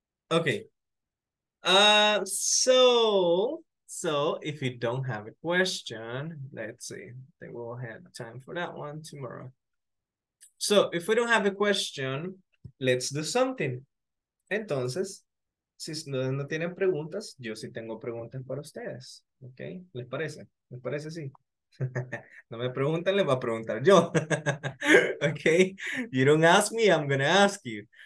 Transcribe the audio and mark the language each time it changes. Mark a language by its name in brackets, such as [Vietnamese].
[English] Okay. So if you don't have a question, let's see. I think we'll have time for that one tomorrow. So if we don't have a question, let's do something. [Spanish] Entonces, si no tienen preguntas, yo sí tengo preguntas para ustedes. Okay. ¿Les parece? ¿Les parece sí? No me preguntan, les voy a preguntar yo. [English] Okay. You don't ask me, I'm gonna ask you.